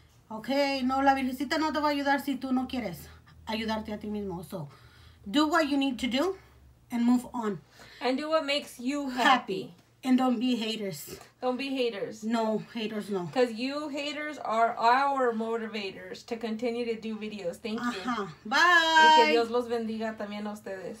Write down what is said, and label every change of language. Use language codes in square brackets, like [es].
[es] Okay, no, la Virgencita no te va a ayudar si tú no quieres ayudarte a ti mismo. [en] So, do what you need to do and move on. And do what makes you happy. And don't be haters. Don't be haters. No, haters, no. Because you haters are our motivators to continue to do videos. Thank you. Bye. [es] Y que Dios los bendiga también a ustedes.